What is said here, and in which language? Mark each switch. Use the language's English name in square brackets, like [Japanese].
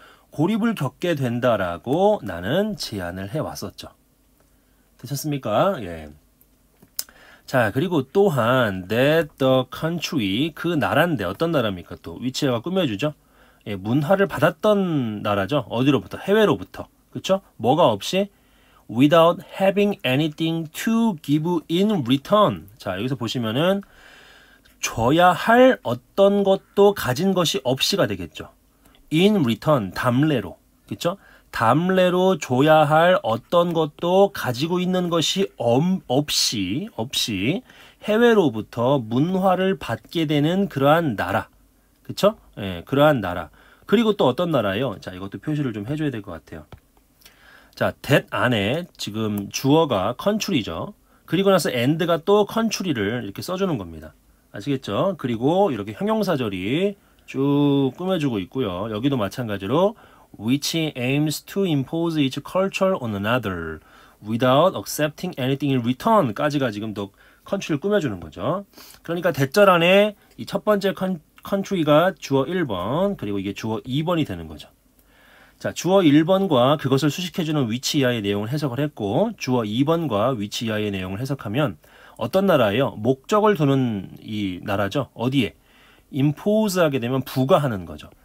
[Korean] 고립을 겪게 된다라고 나는 제안을 해왔었죠. 되셨습니까? 예. 자, 그리고 또한 [English] that the country, [Korean] 그 나라인데 어떤 나라입니까? 또 위치가 꾸며주죠. 예, 문화를 받았던 나라죠. 어디로부터? 해외로부터. 그쵸? 뭐가 없이? [English] Without having anything to give in return. [Korean] 자, 여기서 보시면은, 줘야 할 어떤 것도 가진 것이 없이가 되겠죠. [English] In return, [Korean] 담례로. 그쵸? 담례로 줘야 할 어떤 것도 가지고 있는 것이 없이, 해외로부터 문화를 받게 되는 그러한 나라. 그쵸? 예, 그러한 나라. 그리고 또 어떤 나라예요? 자, 이것도 표시를 좀 해줘야 될것 같아요. 자, that 안에 지금 주어가 country죠. 그리고 나서 and가 또 country를 이렇게 써주는 겁니다. 아시겠죠? 그리고 이렇게 형용사절이 쭉 꾸며주고 있고요. 여기도 마찬가지로 [English] which aims to impose its culture on another without accepting anything in return까지가 [Korean] 지금 또 country를 꾸며주는 거죠. 그러니까 대절 안에 이첫 번째 country가 주어 1번, 그리고 이게 주어 2번이 되는 거죠. 자, 주어 1번과 그것을 수식해주는 위치 이하의 내용을 해석을 했고, 주어 2번과 위치 이하의 내용을 해석하면, 어떤 나라예요? 목적을 두는 이 나라죠? 어디에? impose 하게 되면 부과하는 거죠.